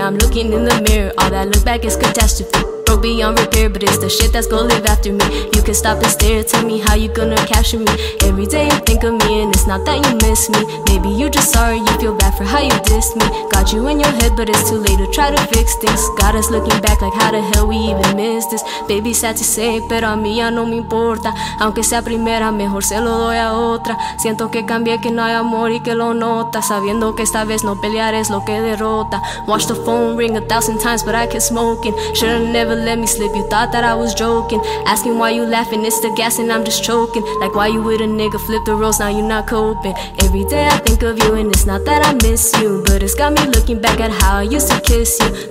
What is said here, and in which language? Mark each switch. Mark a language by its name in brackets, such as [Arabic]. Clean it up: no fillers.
[English] I'm looking in the mirror, all that look back is catastrophe. Broke beyond repair, but it's the shit that's gonna live after me. You can stop and stare, tell me how you gonna capture me. Every day you think of me, and it's not that you miss me. Maybe you're just sorry, you feel bad for how you dissed me. Got you in your head, but it's too late to try to fix this. Got us looking back like how the hell we even missed this. Baby, sad to say, [Spanish] pero a mí ya no me importa. Aunque sea primera, mejor se lo doy a otra. Siento que cambié, que no hay amor y que lo nota. Sabiendo que esta vez no pelear es lo que derrota. [English] Watch the phone ring 1,000 times, but I kept smoking. Should've never let me slip, you thought that I was joking. Asking why you laughing, it's the gas and I'm just choking. Like why you with a nigga, flip the roles, now you not coping. Every day I think of you, and it's not that I miss you, but it's got me looking back at how I used to kiss you.